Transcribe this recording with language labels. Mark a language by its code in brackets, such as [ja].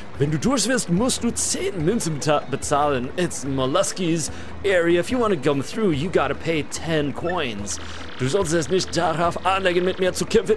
[de] Wenn du durch willst, musst du 10 Münzen bezahlen. [en] It's Moluskis area. If you want to come through, you gotta pay 10 coins. [de] Du solltest es nicht darauf anlegen, mit mir zu kämpfen.